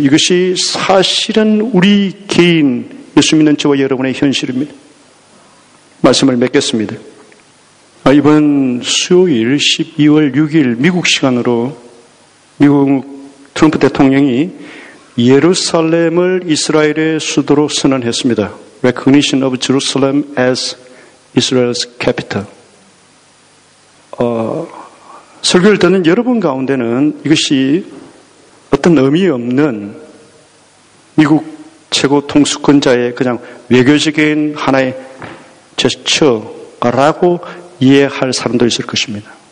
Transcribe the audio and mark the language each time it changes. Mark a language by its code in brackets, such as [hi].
[ko] 이것이 사실은 우리 개인 예수 믿는 저와 여러분의 현실입니다. 말씀을 맺겠습니다. 이번 수요일 12월 6일 미국 시간으로 미국 트럼프 대통령이 예루살렘을 이스라엘의 수도로 선언했습니다. [en] Recognition of Jerusalem as Israel's capital. [ko] 설교를 듣는 여러분 가운데는 이것이 어떤 의미 없는 미국 최고 통수권자의 그냥 외교적인 하나의 제스처라고 이해할 사람도 있을 것입니다.